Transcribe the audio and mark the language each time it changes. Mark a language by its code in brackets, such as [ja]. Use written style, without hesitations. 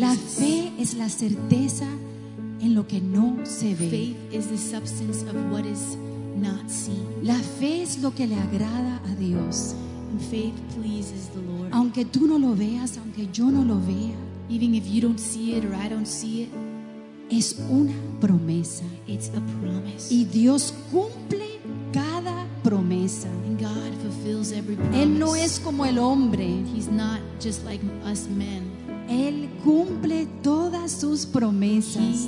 [es] La fe es la certeza en lo que no se ve. [en] Faith is the substance of what is not seen. [es] La fe es lo que le agrada a Dios. [en] And faith pleases the Lord. [es] Aunque tú no lo veas, aunque yo no lo vea, [en] even if you don't see it or I don't see it, [es] es una promesa. [en] It's a promise. [es] Y Dios cumple cada promesa. [en] And God fulfills every promise. [es] Él no es como el hombre. [en] He's not just like us men. [es] Él cumple todas sus promesas.